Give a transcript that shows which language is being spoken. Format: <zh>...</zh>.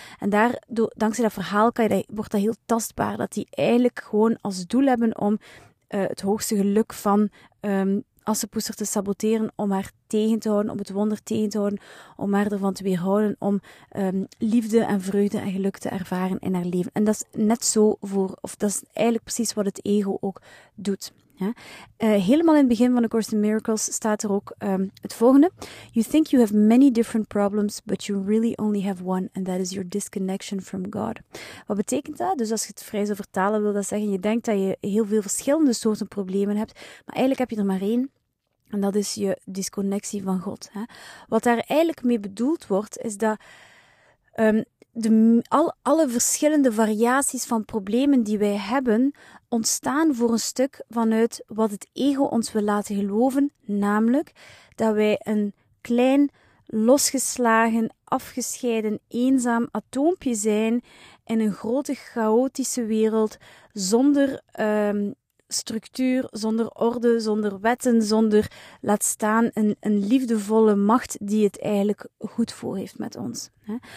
<nl>En daardoor, dankzij dat verhaal wordt dat heel tastbaar, dat die eigenlijk gewoon als doel hebben om het hoogste geluk van Assepoester te saboteren, om haar tegen te houden, om het wonder tegen te houden, om haar ervan te weerhouden, om liefde en vreugde en geluk te ervaren in haar leven. En dat is net zo voor, of dat is eigenlijk precies wat het ego ook doet. Ja? Helemaal in het begin van A Course in Miracles staat er ook het volgende.</nl> <en>You think you have many different problems, but you really only have one, and that is your disconnection from God.</en> <nl>Wat betekent dat? Dus als je het vrij zou vertalen, wil dat zeggen, je denkt dat je heel veel verschillende soorten problemen hebt, maar eigenlijk heb je er maar één. En dat is je disconnectie van God. Hè. Wat daar eigenlijk mee bedoeld wordt, is dat alle verschillende variaties van problemen die wij hebben, ontstaan voor een stuk vanuit wat het ego ons wil laten geloven, namelijk dat wij een klein, losgeslagen, afgescheiden, eenzaam atoompje zijn in een grote, chaotische wereld zonder structuur, zonder orde, zonder wetten, zonder, laat staan, een liefdevolle macht die het eigenlijk goed voor heeft met ons. Hè.</nl>